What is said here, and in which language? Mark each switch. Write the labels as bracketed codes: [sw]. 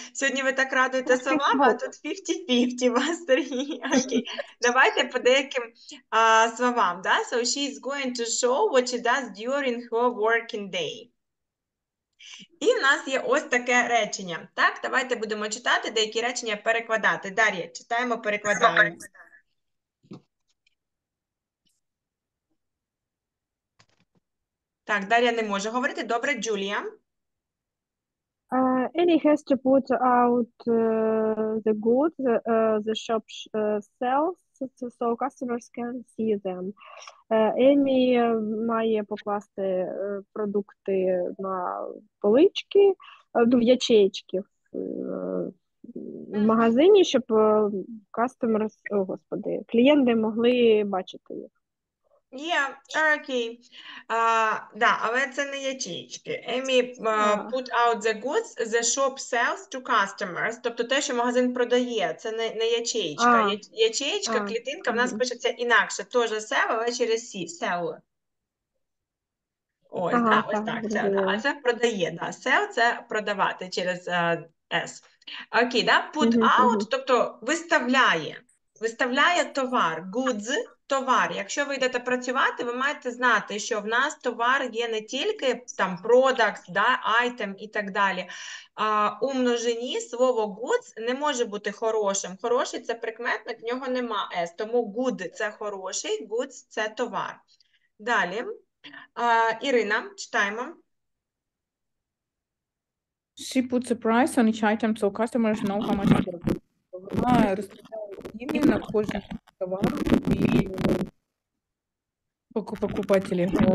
[uk] Сьогодні ви так радуєте словами, а тут 50-50 вас, Сергій. Окей. Давайте по деяким словам, да? [en] So she's going to show what she does during her working day. [uk] І в нас є ось таке речення, так? Давайте будемо читати, деякі речення перекладати. Дар'я, читаємо, перекладаємо. Так, Дар'я не може говорити. Добре, Джулія. [en] Amy has to put out the goods the shop sells so customers can see them. [uk] Amy має покласти продукти на полички, в ячеечки в магазині, щоб customers, о, господи, клієнти могли бачити їх. Yeah, okay. Да, але це не ячеечки. [en] Amy put out the goods the shop sells to customers. [uk] Тобто те, що магазин продає, це не ячеечка. Ячеечка, клітинка, в нас пишеться інакше. Тож sell, але через C. Sell. Ось, так, це продає. Да. Sell – це продавати через S. Окей, да? Put out, тобто виставляє. Виставляє товар. Goods – товар. Якщо ви йдете працювати, ви маєте знати, що в нас товар є не тільки там products, да, item і так далі. А у множині слово goods не може бути хорошим. Хороший – це прикметник, в нього нема S. Тому good – це хороший, goods – це товар. Далі. Ірина, читаємо. [en] She puts a price on each item so customers know how much they're worth. [uk] Вона розповідає на кожен товар і покупателі.